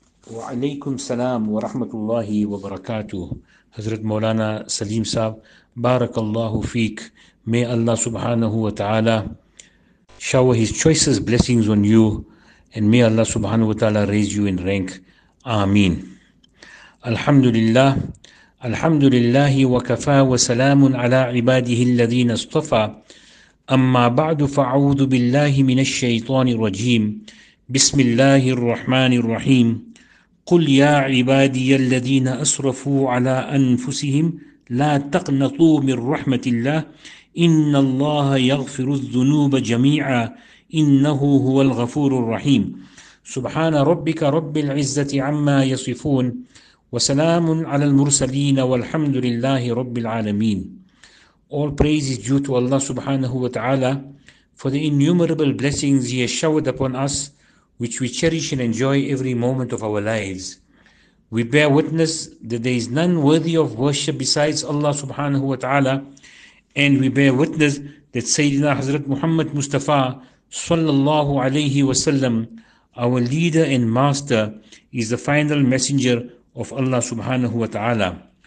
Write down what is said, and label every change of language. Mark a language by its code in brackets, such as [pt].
[ar] وعليكم السلام ورحمة الله وبركاته. حضرت مولانا سليم صاحب، بارك الله فيك. [en] May Allah subhanahu wa ta'ala shower his choicest blessings on you, and may Allah subhanahu wa ta'ala raise you in rank. [ar] Ameen. Alhamdulillah. Alhamdulillah wa kafa wa salamun ala ibadihi alladhina astafa. Amma ba'du fa'udhu billahi minash shaitani rajim. Bismillahir Rahmanir Rahim. قل يا عبادي الذين أسرفوا على أنفسهم لا تقنطوا من رحمة الله إن الله يغفر الذنوب جميعا إنه هو الغفور الرحيم. سبحان ربك رب العزة عما يصفون وسلام على المرسلين والحمد لله رب العالمين. [en] All praise is due to Allah subhanahu wa ta'ala for the innumerable blessings he has showered upon us, which we cherish and enjoy every moment of our lives. We bear witness that there is none worthy of worship besides Allah subhanahu wa ta'ala, and we bear witness that Sayyidina Hazrat Muhammad Mustafa sallallahu alayhi wa sallam, our leader and master, is the final messenger of Allah subhanahu wa ta'ala.